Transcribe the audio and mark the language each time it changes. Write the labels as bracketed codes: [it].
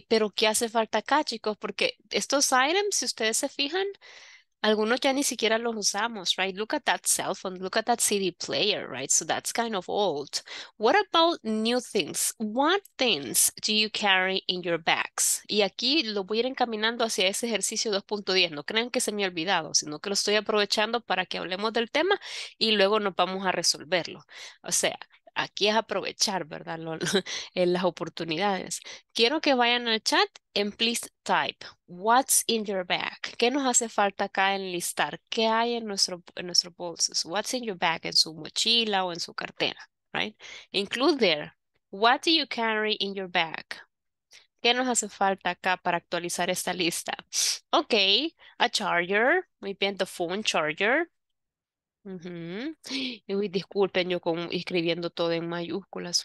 [es] Pero, ¿qué hace falta acá, chicos? Porque estos items, si ustedes se fijan, algunos ya ni siquiera los usamos, right? [en] Look at that cell phone, look at that CD player, right? So that's kind of old. What about new things? What things do you carry in your bags? [es] Y aquí lo voy a ir encaminando hacia ese ejercicio 2.10. No crean que se me ha olvidado, sino que lo estoy aprovechando para que hablemos del tema y luego nos vamos a resolverlo. O sea, aquí es aprovechar, ¿verdad? Las oportunidades. Quiero que vayan al chat [en] and please type, what's in your bag? [es] ¿Qué nos hace falta acá en listar? ¿Qué hay en nuestro bolsos? [en] What's in your bag? [es] ¿En su mochila o en su cartera? Right? [en] Include there, what do you carry in your bag? [es] ¿Qué nos hace falta acá para actualizar esta lista? Ok, a charger, muy bien, the phone charger. Uh-huh. Uy, disculpen, yo escribiendo todo en mayúsculas.